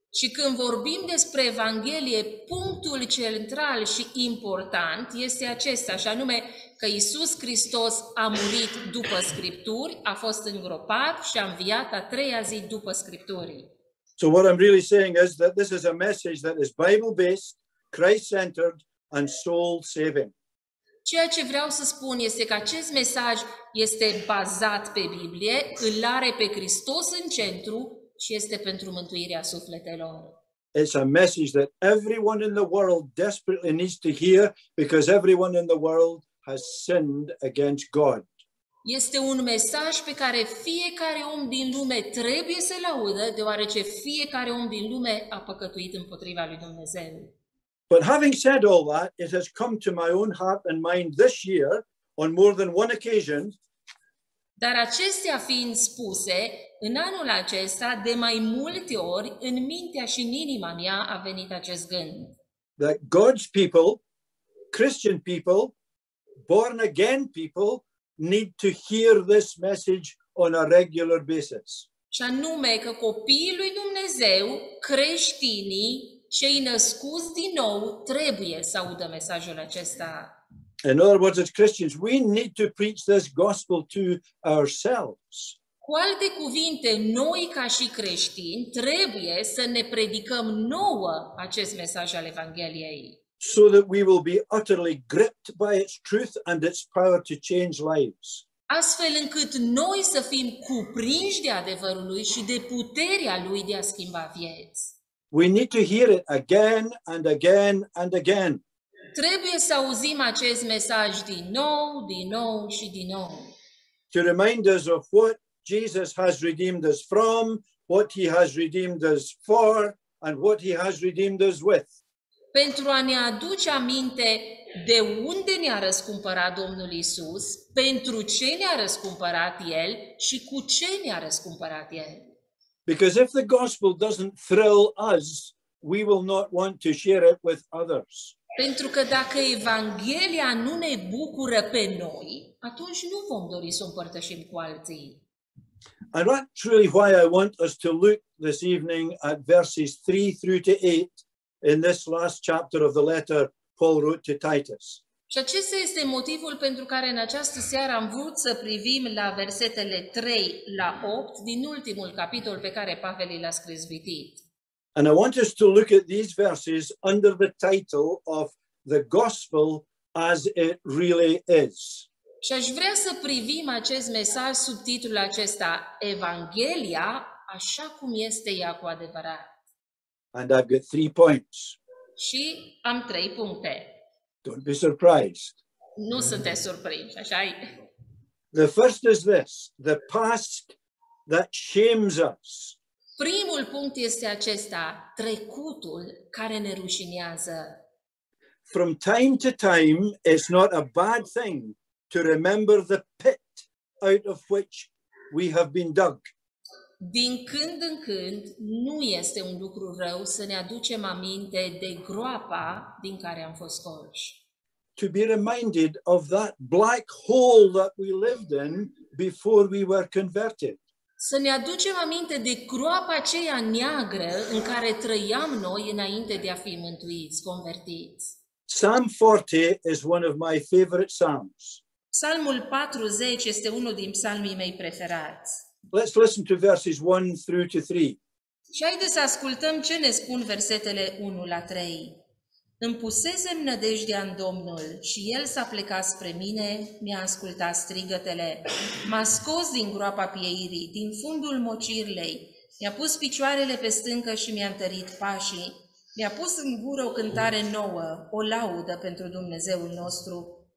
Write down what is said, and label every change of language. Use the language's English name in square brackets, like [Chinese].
[Romanian] Și când vorbim despre Evanghelie, punctul central și important este acesta, și anume că Iisus Hristos a murit după Scripturi, a fost îngropat și a înviat a treia zi după Scripturi. [English] So what I'm really saying is that this is a message that is Bible-based, Christ-centered and soul-saving. [Romanian] Ceea ce vreau să spun este că acest mesaj este bazat pe Biblie, îl are pe Hristos în centru, și este pentru mântuirea sufletelor. [English] It's a message that everyone in the world desperately needs to hear because everyone in the world has sinned against God. [Romanian] Este un mesaj pe care fiecare om din lume trebuie să-l audă, deoarece fiecare om din lume a păcătuit împotriva lui Dumnezeu. [English] But having said all that, it has come to my own heart and mind this year on more than one occasion. [Romanian] Dar acestea fiind spuse, în anul acesta, de mai multe ori, în mintea și în inima mea a venit acest gând. [English] That God's people, Christian people, born again people, need to hear this message on a regular basis. [Romanian] Și anume că copiii lui Dumnezeu, creștinii, cei născuți din nou, trebuie să audă mesajul acesta. [English] In other words, as Christians, we need to preach this gospel to ourselves. [Romanian] Cu alte cuvinte, noi ca și creștini trebuie să ne predicăm nouă acest mesaj al Evangheliei. [English] So that we will be utterly gripped by its truth and its power to change lives. [Romanian] Astfel încât noi să fim cuprinși de adevărul lui și de puterea lui de a schimba vieți. [English] We need to hear it again and again and again. [Romanian] Trebuie să auzim acest mesaj din nou, din nou și din nou. [English] To remind us of what Jesus has redeemed us from, what he has redeemed us for, and what he has redeemed us with. [Romanian] Pentru a ne aduce aminte de unde ne-a răscumpărat Domnul Iisus, pentru ce ne-a răscumpărat El și cu ce ne-a răscumpărat El. [English] Because if the gospel doesn't thrill us, we will not want to share it with others. [Romanian] Pentru că dacă Evanghelia nu ne bucură pe noi, atunci nu vom dori să o împărtășim cu alții. [English] And that's really why I want us to look this evening at verses 3 through to 8 in this last chapter of the letter Paul wrote to Titus. [Romanian] Și acesta este motivul pentru care în această seară am vrut să privim la versetele 3 la 8 din ultimul capitol pe care Pavel l-a scris vitit. [English] And I want us to look at these verses under the title of the gospel as it really is. [Romanian] Și aș vrea să privim acest mesaj sub titlul acesta, Evanghelia așa cum este ea cu adevărat. [English] And I've got 3 points. [Romanian] Și am 3 puncte. [English] Don't be surprised. [Romanian] Nu sunteți surprinși, așa e. [English] The first is this, the past that shames us. [Romanian] Primul punct este acesta, trecutul care ne rușinează. [English] From time to time, it's not a bad thing to remember the pit out of which we have been dug. [Romanian] Din când în când, nu este un lucru rău să ne aducem aminte de groapa din care am fost scoși. [English] To be reminded of that black hole that we lived in before we were converted. [Romanian] Să ne aducem aminte de groapa aceea neagră în care trăiam noi înainte de a fi mântuiți, convertiți. [English] Psalm 40 is one of my favorite psalms. [Romanian] Psalmul 40 este unul din psalmii mei preferați. [English] Let's listen to verses 1 through to 3. [Romanian] Și haideți să ascultăm ce ne spun versetele 1 la 3. Îmi pusesem nădejdea în Domnul și El s-a plecat spre mine, mi-a ascultat strigătele, m-a scos din groapa pieirii, din fundul mocirlei, mi-a pus picioarele pe stâncă și mi-a întărit pașii, mi-a pus în gură o cântare nouă, o laudă pentru Dumnezeul nostru.